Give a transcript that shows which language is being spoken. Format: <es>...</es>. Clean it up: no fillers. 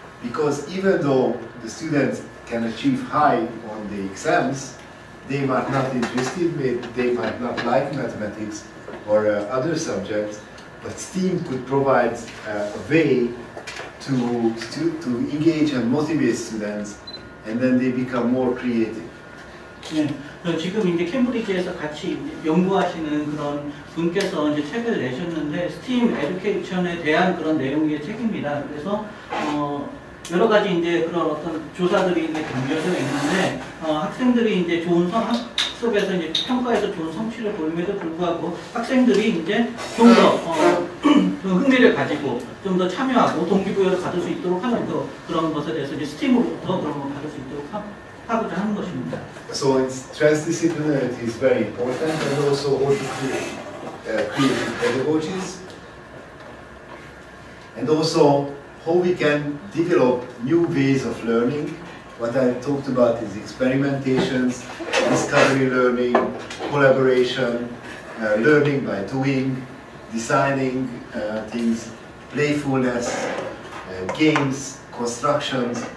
<en>Because even though the students can achieve high on the exams, they might not interested with, they might not like mathematics or other subjects, but STEAM could provide a way to engage and motivate students, and then they become more creative.</en> <ko>네, 지금 이제 캠브리지에서 같이 연구하시는 그런 분께서 이제 책을 내셨는데 STEAM education에 대한 그런 내용의 책입니다. 그래서 여러 가지 이제 그런 어떤 조사들이 이제 담겨져 있는데 학생들이 이제 좋은 학습에서 이제 평가에서 좋은 성취를 보임에도 불구하고 학생들이 이제 좀 더 흥미를 가지고 좀 더 참여하고 동기부여를 받을 수 있도록 하는 또 그런 것에 대해서 이제 스팀으로부터 그런 걸 받을 수 있도록 하고자 하는 것입니다.</ko> <en>So it's transdisciplinarity is very important and also creative pedagogies and also how we can develop new ways of learning. What I talked about is experimentations, discovery learning, collaboration, learning by doing, designing things, playfulness, games, constructions.</en>